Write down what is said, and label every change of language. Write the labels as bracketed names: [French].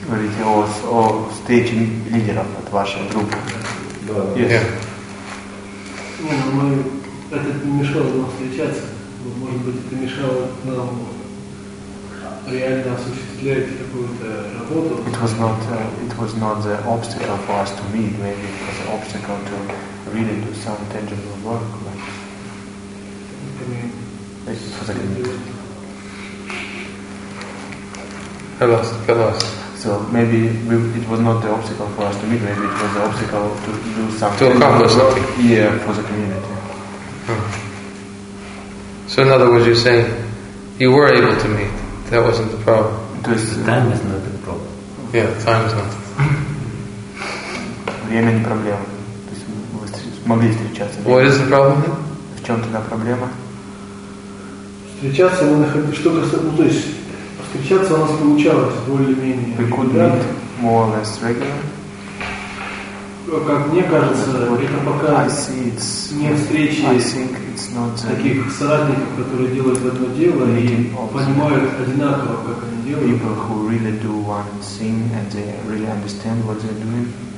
[Russian] Говорите о встрече лидеров от вашей группы. Да. [English] Yes. Yeah. [Russian] Мы это мешало нам встречаться. Может быть, это мешало нам реально осуществлять какую-то работу. [English] It was not the obstacle for us to meet. Maybe it was an obstacle to really do some tangible work, like for the community. Hello. So maybe it was not the obstacle for us to meet, maybe it was the obstacle to do some to accomplish something. Yeah, for the community. So in other words, you're saying you were able to meet. That wasn't the problem. Time is not the problem. Yeah, time is not the [Russian] problem. Время не проблема. Могли встречаться. [English] What is the problem? [Russian] В чем тогда проблема? Встречаться мы находили, что касается, то есть встречаться у нас получалось более-менее. [English] We could meet more or less regularly. [Russian] Как мне кажется, это пока не встречи таких соратников, которые делают одно дело и понимают одинаково, как они делают. [English] People who really do one thing and they really understand what they're doing.